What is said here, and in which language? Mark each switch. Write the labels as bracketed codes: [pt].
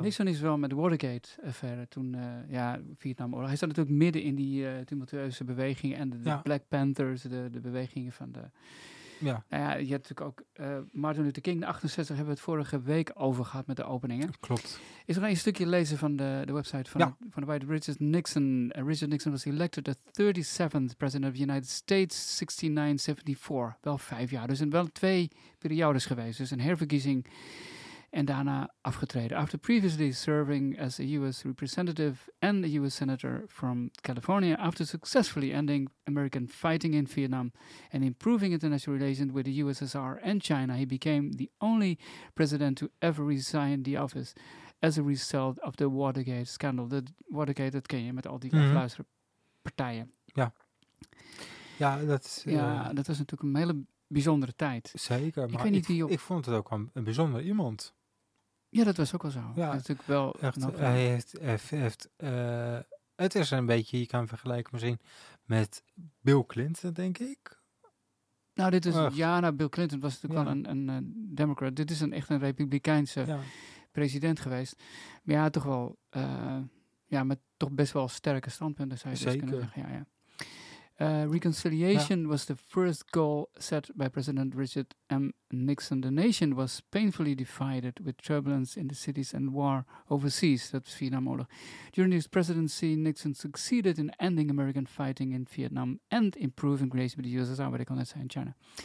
[nl] Nixon is wel met de Watergate-affaire toen, Vietnamoorlog. Hij zat natuurlijk midden in die tumultueuze beweging en de Black Panthers, de bewegingen van de... Ja. Nou ja, je hebt natuurlijk ook Martin Luther King, 68, hebben we het vorige week over gehad met de openingen. Klopt. Is er nog een stukje lezen van de website van de White Richard Nixon. [en] Richard Nixon was elected the 37th president of the United States, 69-74. [nl] Wel 5 jaar. Dus in wel 2 periodes geweest. Dus een herverkiezing en daarna afgetreden. [en] After previously serving as a U.S. representative and a U.S. senator from California, after successfully ending American fighting in Vietnam and improving international relations with the USSR and China, he became the only president to ever resign the office as a result of the Watergate scandal. [nl] The Watergate, dat ken je met al die afluisteren partijen. Ja. Ja, dat is... Ja, dat was natuurlijk een hele bijzondere tijd. Zeker, maar ik vond het ook een bijzonder iemand. Ja, dat was ook wel zo. Ja, natuurlijk wel. Echt, hij heeft het is een beetje, je kan vergelijken misschien met Bill Clinton, denk ik. Nou, dit is Bill Clinton was natuurlijk wel een Democrat. Dit is echt een Republikeinse president geweest. Maar ja, toch wel met toch best wel sterke standpunten, zou je zeker dus kunnen zeggen. Ja, ja. [en] Reconciliation was the first goal set by President Richard M. Nixon. The nation was painfully divided with turbulence in the cities and war overseas. That's Vietnamoorlog. During his presidency, Nixon succeeded in ending American fighting in Vietnam and improving relations with the USSR, what I call that, in China.